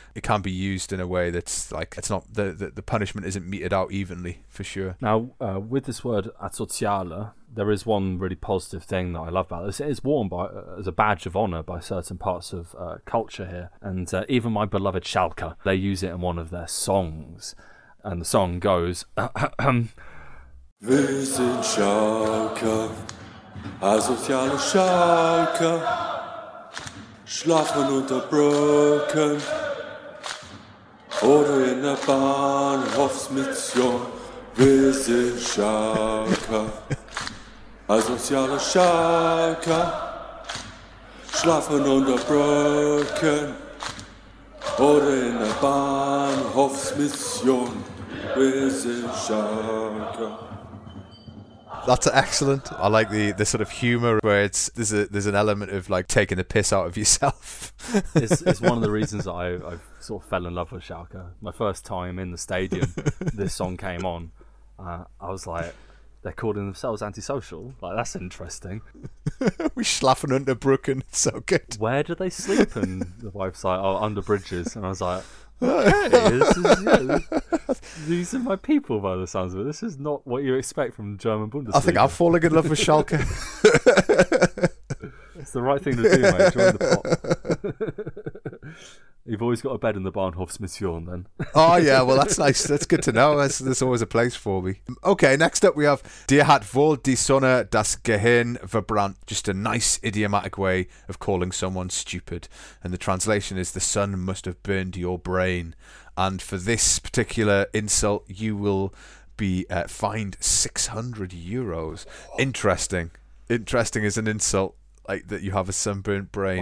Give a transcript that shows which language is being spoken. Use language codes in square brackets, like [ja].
[en] It can be used in a way that's like, it's not the punishment isn't meted out evenly, for sure. Now, with this word asociale, there is one really positive thing that I love about this. It is worn by as a badge of honour by certain parts of culture here. And even my beloved Schalke, they use it in one of their songs. And the song goes... [de] Wir Schalke, asoziale Schalke, schlafen unterbrochen oder in der Bahnhofsmission. Wir sind Schalke, asoziale Schalke, schlafen unterbrochen oder in der Bahnhofsmission. Wir sind Schalke. [en] That's excellent. I like the sort of humour where it's there's an element of like taking the piss out of yourself. It's one of the reasons I sort of fell in love with Schalke. My first time in the stadium, this song came on. I was like, they're calling themselves antisocial. Like, that's interesting. We [de] schlafen unter Brücken. [en] It's so good. Where do they sleep? And the wife's like, oh, under bridges. And I was like, okay, this is, yeah, these are my people by the sounds of it. This is not what you expect from German Bundesliga. I think I'm falling in love with Schalke. It's the right thing to do, mate. Join the pot. You've always got a bed in the Bahnhofsmission then. Oh yeah, well that's nice. That's good to know. There's always a place for me. Okay, next up we have [de] Dir hat wohl die Sonne das Gehirn verbrannt. [en] Just a nice idiomatic way of calling someone stupid. And the translation is, the sun must have burned your brain. And for this particular insult, you will be fined 600 euros. Interesting. Interesting is an insult, like that you have a sunburnt brain.